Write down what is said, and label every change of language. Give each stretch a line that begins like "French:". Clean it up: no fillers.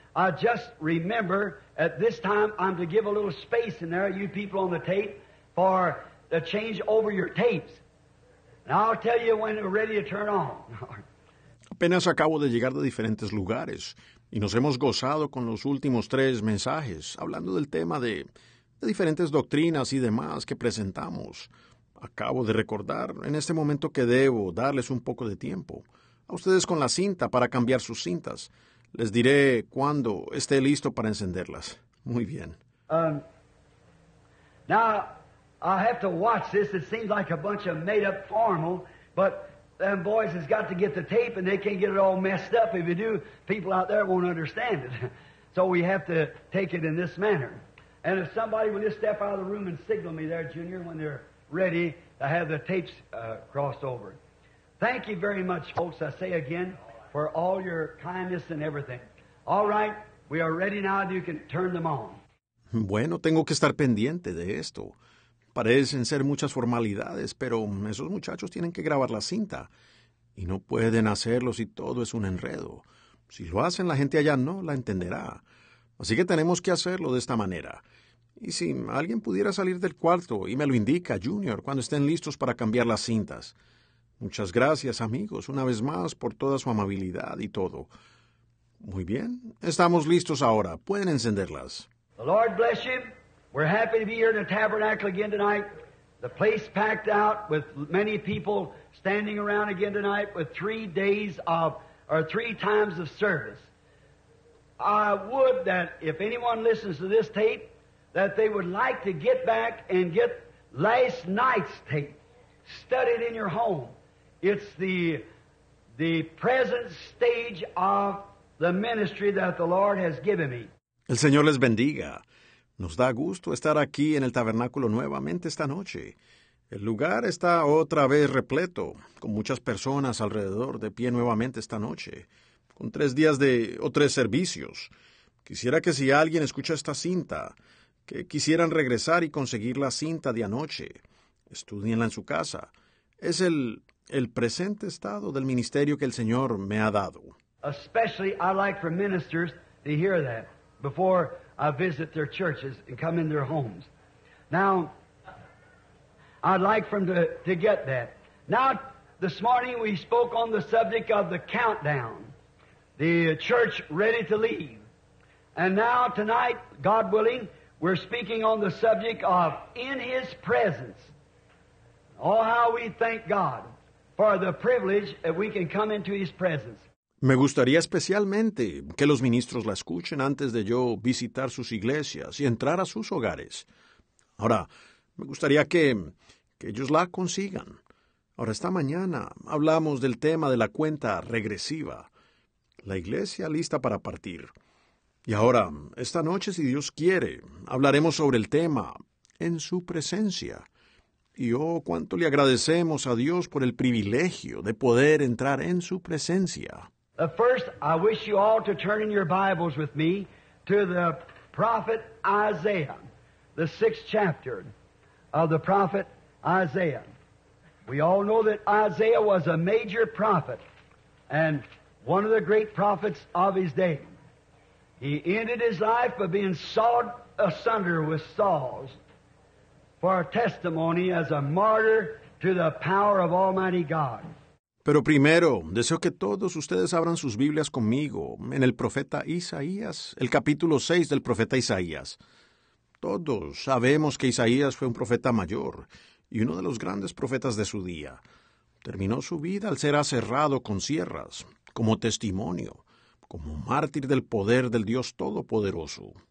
English: I just remember at this time I'm to give a little space in there, you people on the tape, for the change over your tapes. And I'll tell you when we're ready to turn on.
Spanish: Apenas acabo de llegar de diferentes lugares Y nos hemos gozado con los últimos tres mensajes, hablando del tema de diferentes doctrinas y demás que presentamos. Acabo de recordar en este momento que debo darles un poco de tiempo a ustedes con la cinta para cambiar sus cintas. Les diré cuando esté listo para encenderlas. Muy bien.
English: Now, I have to watch this. It seems like a bunch of made-up formal, but them boys has got to get the tape, and they can't get it all messed up. If you do, people out there won't understand it. So we have to take it in this manner. And if somebody will just step out of the room and signal me there, Junior, when they're ready to have the tapes crossed over. Thank you very much, folks, I say again, for all your kindness and everything. All right, we are ready now. You can turn them on.
Spanish: Bueno, tengo que estar pendiente de esto. Parecen ser muchas formalidades, pero esos muchachos tienen que grabar la cinta. Y no pueden hacerlo si todo es un enredo. Si lo hacen, la gente allá no la entenderá. Así que tenemos que hacerlo de esta manera. Y si alguien pudiera salir del cuarto y me lo indica, Junior, cuando estén listos para cambiar las cintas. Muchas gracias, amigos, una vez más por toda su amabilidad y todo. Muy bien, estamos listos ahora. Pueden encenderlas.
English: The Lord bless you. We're happy to be here in the tabernacle again tonight. The place packed out with many people standing around again tonight with 3 days of, or 3 times of service. I would that if anyone listens to this tape, that they would like to get back and get last night's tape. Study it in your home. It's the present stage of the ministry that the Lord has given me.
Spanish: El Señor les bendiga. Nos da gusto estar aquí en el tabernáculo nuevamente esta noche. El lugar está otra vez repleto, con muchas personas alrededor de pie nuevamente esta noche, con 3 días de o 3 servicios. Quisiera que si alguien escucha esta cinta, que quisieran regresar y conseguir la cinta de anoche, estudienla en su casa. Es el presente estado del ministerio que el Señor me ha dado.
English: Especially I like for ministers to hear that before I visit their churches and come in their homes. Now, I'd like for them to get that. Now, this morning we spoke on the subject of the countdown, the church ready to leave. And now tonight, God willing, we're speaking on the subject of in His presence. Oh, how we thank God for the privilege that we can come into His presence.
Spanish: Me gustaría especialmente que los ministros la escuchen antes de yo visitar sus iglesias y entrar a sus hogares. Ahora, me gustaría que ellos la consigan. Ahora, esta mañana hablamos del tema de la cuenta regresiva. La iglesia lista para partir. Y ahora, esta noche, si Dios quiere, hablaremos sobre el tema en su presencia. Y oh, cuánto le agradecemos a Dios por el privilegio de poder entrar en su presencia.
English: First, I wish you all to turn in your Bibles with me to the prophet Isaiah, the 6th chapter of the prophet Isaiah. We all know that Isaiah was a major prophet and one of the great prophets of his day. He ended his life by being sawed asunder with saws for a testimony as a martyr to the power of Almighty God.
Spanish: Pero primero, deseo que todos ustedes abran sus Biblias conmigo en el profeta Isaías, el capítulo 6 del profeta Isaías. Todos sabemos que Isaías fue un profeta mayor y uno de los grandes profetas de su día. Terminó su vida al ser aserrado con sierras, como testimonio, como mártir del poder del Dios Todopoderoso.